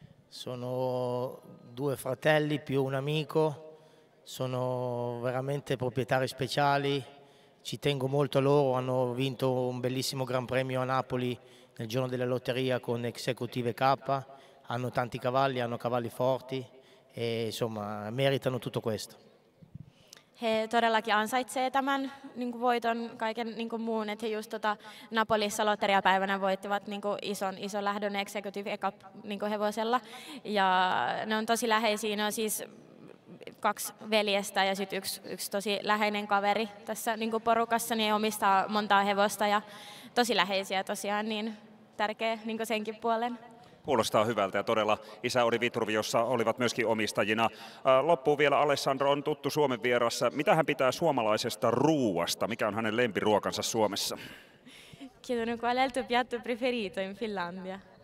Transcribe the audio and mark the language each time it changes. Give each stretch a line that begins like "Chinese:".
Italian: Sono due fratelli più un amico, sono veramente proprietari speciali, ci tengo molto a loro, hanno vinto un bellissimo gran premio a Napoli nel giorno della lotteria con Executive K, hanno tanti cavalli, hanno cavalli forti e insomma meritano tutto questo.
Finnish: He todellakin ansaitsee tämän niin kuin voiton kaiken niin kuin muun, että he just Napolissa lotteriapäivänä voittivat niin kuin ison lähdön Executive Cup niin kuin hevosella. Ja ne on tosi läheisiä, ne on siis kaksi veljestä ja sitten yksi tosi läheinen kaveri tässä niin kuin porukassa, niin omistaa montaa hevosta ja tosi läheisiä tosiaan, niin tärkeä niin kuin senkin puolen. Kuulostaa hyvältä ja todella isä oli Vitruviossa, olivat myöskin omistajina. Loppuun vielä, Alessandro on tuttu Suomen vierassa. Mitä hän pitää suomalaisesta ruuasta? Mikä on hänen lempiruokansa Suomessa?
Italian: chiedono qual è il tuo piatto preferito in Finlandia.